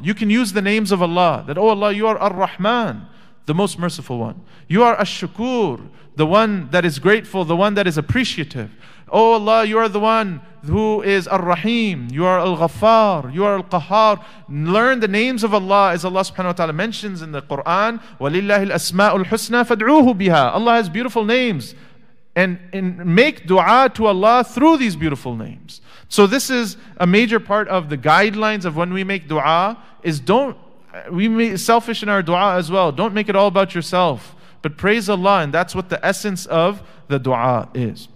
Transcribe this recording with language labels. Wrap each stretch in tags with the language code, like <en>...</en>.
<en>You can use the names of Allah. That, oh Allah, you are Ar-Rahman, the most merciful one. You are Ash-Shukur, the one that is grateful, the one that is appreciative. Oh Allah, you are the one who is Ar-Rahim. You are Al-Ghaffar. You are Al-Qahhar. Learn the names of Allah as Allah subhanahu wa ta'ala mentions in the Quran.</en> <ar>وَلِلَّهِ الْأَسْمَاءُ الْحُسْنَى فَادْعُوهُ بِهَا</ar> <en>Allah has beautiful names. And make dua to Allah through these beautiful names. So this is a major part of the guidelines of when we make dua, is we may be selfish in our dua as well. Don't make it all about yourself, but praise Allah, and that's what the essence of the dua is.</en>